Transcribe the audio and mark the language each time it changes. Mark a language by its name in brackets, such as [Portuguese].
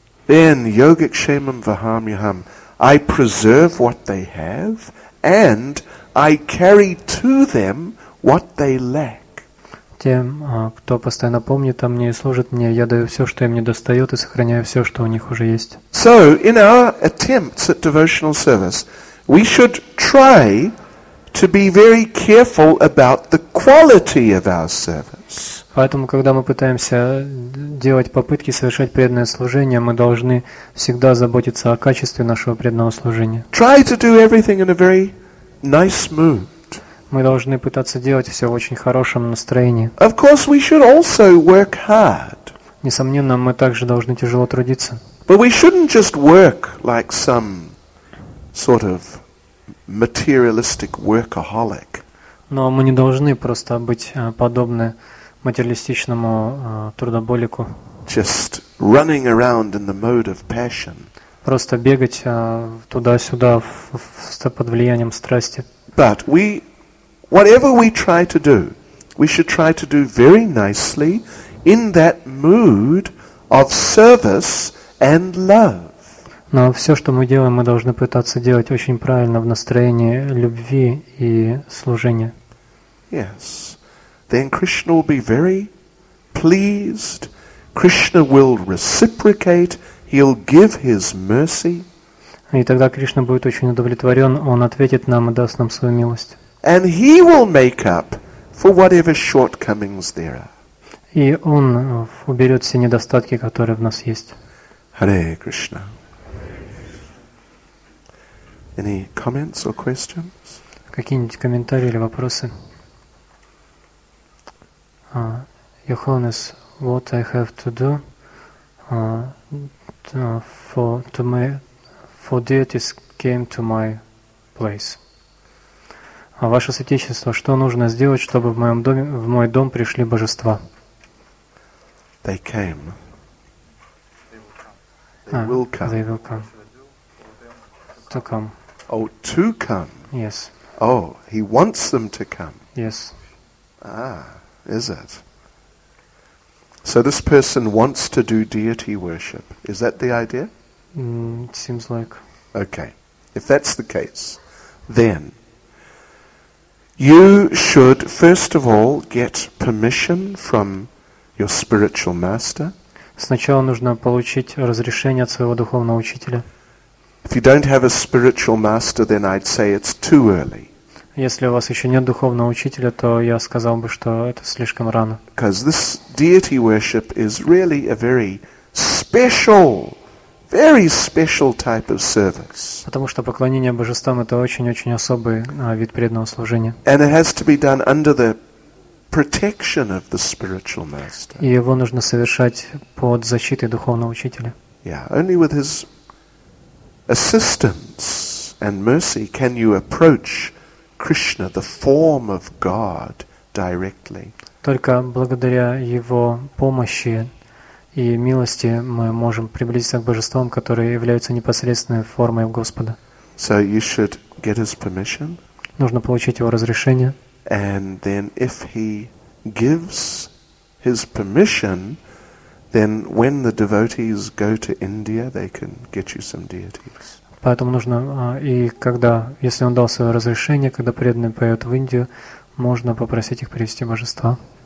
[Sanskrit] Then yogic shemam vahamyaham. [English] I preserve what they have, and I carry to them what they lack. [Russian] Тем, кто постоянно помнит о мне и служит мне, я даю все, что им не достает, и сохраняю все, что у них уже есть. [English] So in our attempts at devotional service, we should try to be very careful about the quality of our service. [Russian] Поэтому, когда мы пытаемся делать попытки совершать преданное служение, мы должны всегда заботиться о качестве нашего преданного служения. [English] Try to do everything in a very nice mood. [Russian] Мы должны пытаться делать все в очень хорошем настроении. [English] Of course, we should also work hard. [Russian] Несомненно, мы также должны тяжело трудиться. [English] But we shouldn't just work like some sort of materialistic workaholic. [Russian] Но мы не должны просто быть подобны материалистичному трудоболику. [English] Just running around in the mode of passion. [Russian] Просто бегать туда-сюда под влиянием страсти. [English] But we, whatever we try to do, we should try to do very nicely in that mood of service and love. [Russian] Но все, что мы делаем, мы должны пытаться делать очень правильно в настроении любви и служения. [English] Yes. Then Krishna will be very pleased. Krishna will reciprocate. He'll give His mercy. [Russian] И тогда Кришна будет очень удовлетворен. Он ответит нам и даст нам свою милость. [English] And He will make up for whatever shortcomings there are. [Russian] И Он уберет все недостатки, которые в нас есть. [English] Hare Krishna. Any comments or questions? [Russian] Какие-нибудь комментарии или вопросы? [English] Your Holiness, what I have to do for deities came to my place. [Russian] Ваше святейшество, что нужно сделать, чтобы в моем доме, в мой дом пришли божества? [English] They came. They will come. To come. Oh, to come. Yes. Oh, he wants them to come. Yes. Ah, is it? So this person wants to do deity worship. Is that the idea? It seems like. Okay. If that's the case, then you should first of all get permission from your spiritual master. [Russian] Сначала нужно получить разрешение от своего духовного учителя. [English] If you don't have a spiritual master, then I'd say it's too early. [Russian] Если у вас еще нет духовного учителя, то я сказал бы, что это слишком рано. [English] Because this deity worship is really a very special type of service. [Russian] Потому что поклонение божествам — это очень-очень особый вид преданного служения. [English] And it has to be done under the protection of the spiritual master. [Russian] И его нужно совершать под защитой духовного учителя. [English] Yeah, only with his assistance and mercy can you approach Krishna, the form of God, directly. [Russian] Только благодаря Его помощи и милости мы можем приблизиться к божествам, которые являются непосредственной формой Господа. [English] So you should get his permission. [Russian] Нужно получить его разрешение. [English] And then if he gives his permission, then when the devotees go to India, they can get you some deities. [Russian] Поэтому нужно, и когда, если он дал свое разрешение, когда преданные поют в Индию, можно попросить их привести божества.